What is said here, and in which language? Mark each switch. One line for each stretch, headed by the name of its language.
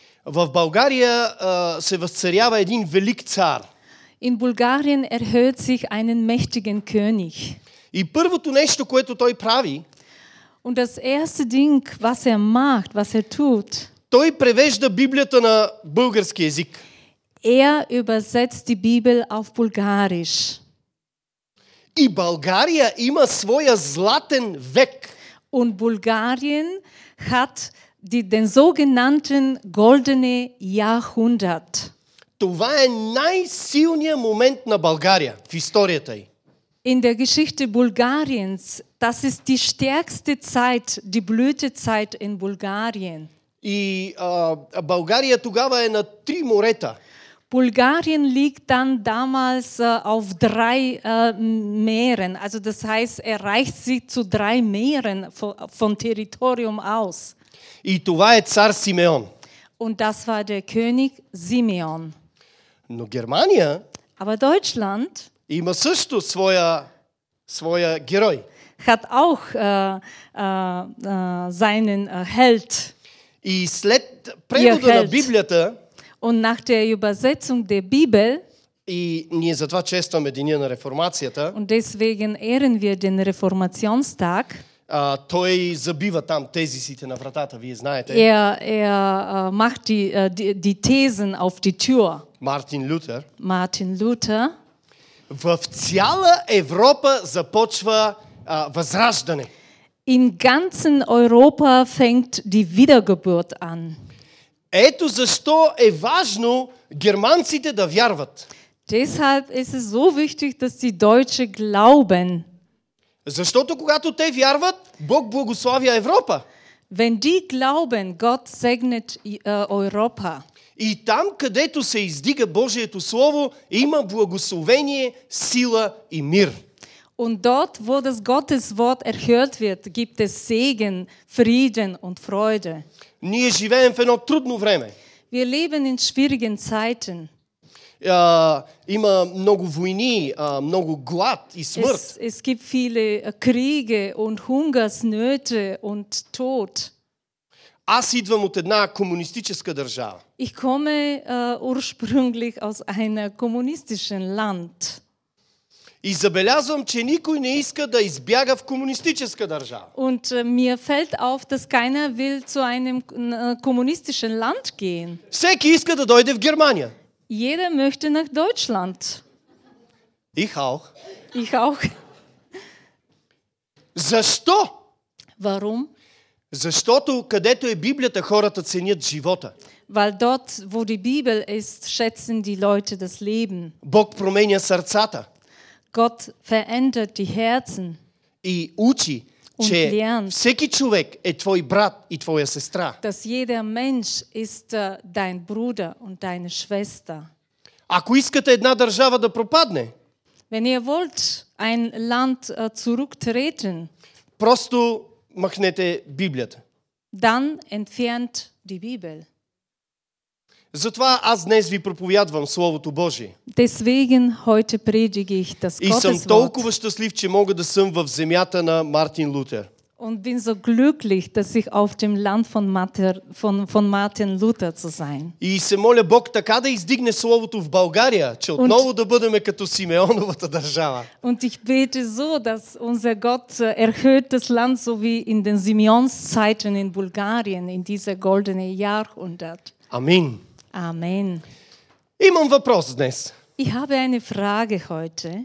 Bulgarian: в България се възцарява един велик цар.
German: In Bulgarien erhöht sich einen mächtigen König.
Bulgarian: И първото нещо, което той прави,
German: und das erste Ding, was er macht, was er tut,
Bulgarian: той превежда Библията на български език.
German: Er übersetzt die Bibel auf Bulgarisch.
Bulgarian: И България има своя златен век.
German: Und Bulgarien hat den sogenannten goldene Jahrhundert.
Bulgarian: Това е най-силният момент на България в историята й.
German: In der Geschichte Bulgariens, das ist die stärkste Zeit, die Blütezeit in Bulgarien.
Bulgarian: И България тогава е на три морета.
German: Bulgarien liegt dann damals auf drei Meeren. Also das heißt, er reicht sich zu drei Meeren von Territorium aus.
Bulgarian: И това е цар Симеон.
German: Und das war der König Simeon.
Bulgarian: Но Германия,
German: aber Deutschland,
Bulgarian: има също своя герой.
German: Hat auch seinen Held.
Bulgarian: И след превода на Библията,
German: und nach der Übersetzung der Bibel,
Bulgarian: и ние затова честваме деня на реформацията,
German: und deswegen ehren wir den Reformationstag,
Bulgarian: той забива там тезисите на вратата, вие знаете.
German: Macht die Thesen auf die Tür.
Bulgarian: Мартин Лютер. В цяла Европа започва възраждане.
German: In ganzen Europa fängt die Wiedergeburt an.
Bulgarian: Ето защо е важно германците да вярват.
German: Deshalb ist es so wichtig, dass die Deutsche glauben.
Bulgarian: Защото когато те вярват, Бог благославя Европа.
German: Wenn die glauben, Gott segnet Europa.
Bulgarian: И там, където се издига Божието Слово, има благословение, сила и мир.
German: Und dort, wo das Gottes Wort erhört wird, gibt es Segen, Frieden und Freude.
Bulgarian: Ние живеем в едно трудно време.
German: Wir leben in schwierigen Zeiten.
Bulgarian: Има много войни, много глад и смърт.
German: Es gibt viele Kriege und Hungersnöte und Tod.
Bulgarian: Аз идвам от една комунистическа държава.
German: Ich komme ursprünglich aus einem kommunistischen Land.
Bulgarian: И забелязвам, че никой не иска да избяга в комунистическа държава.
German: Und mir fällt auf, dass keiner will zu einem kommunistischen Land gehen.
Bulgarian: Всеки иска да дойде в Германия.
German: Jeder möchte nach Deutschland. Ich auch.
Bulgarian: Защо?
German: Warum?
Bulgarian: Защото където е Библията, хората ценят живота.
German: Weil dort, wo die Bibel ist, schätzen die Leute das Leben.
Bulgarian: Бог променя сърцата.
German: Gott verändert die Herzen.
Bulgarian: И учи, че всеки човек е твой брат и твоя сестра.
German: Dass jeder Mensch ist dein Bruder und deine Schwester.
Bulgarian: Ако искате една държава да пропадне,
German: wenn ihr wollt ein Land zurücktreten,
Bulgarian: просто махнете Библията.
German: Dann entfernt die Bibel.
Bulgarian: Затова аз днес ви проповядвам Словото Божие.
German: Deswegen heute predige ich das Gottes Wort.
Bulgarian: И съм толкова щастлив, че мога да съм в земята на Мартин Лутер.
German: Und bin so glücklich, dass ich auf dem Land von Martin Luther zu sein.
Bulgarian: И се моля Бог така да издигне Словото в България, че отново да бъдем като Симеоновата държава.
German: Und ich bete so, dass unser Gott erhöht das Land so wie in den Simeonszeiten in Bulgarien in dieser goldene Jahrhundert.
Bulgarian: Амин. Амин. Имам въпрос днес.
German: Ich habe eine Frage heute.